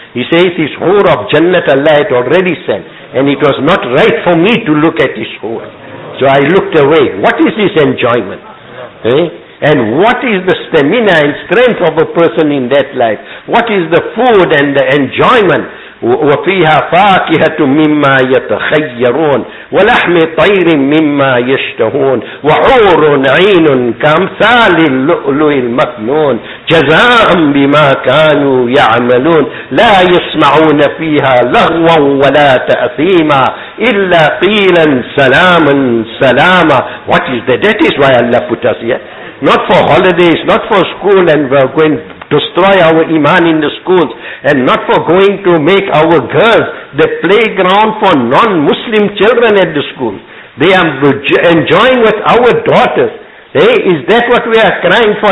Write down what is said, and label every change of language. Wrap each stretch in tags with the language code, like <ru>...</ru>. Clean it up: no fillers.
<en>He says, his hoor of Jannat Allah had already sent and it was not right for me to look at his hoor. So I looked away. What is his enjoyment? And what is the stamina and strength of a person in that life? What is the food and the enjoyment?</en> <ar>وفيها فاكهة مما يتخيرون ولحم طير مما يشتهون وحور عين كأمثال اللؤلؤ المكنون جزاء بما كانوا يعملون لا يسمعون فيها لغوا ولا تأثيما إلا قيلا سلاما سلاما.</ar> <en>What is that? That is why Allah put us here. Not for holidays, not for school, and we're going to destroy our iman in the schools, and not for going to make our girls the playground for non-Muslim children at the school. They are enjoying with our daughters. Hey, is that what we are crying for?</en>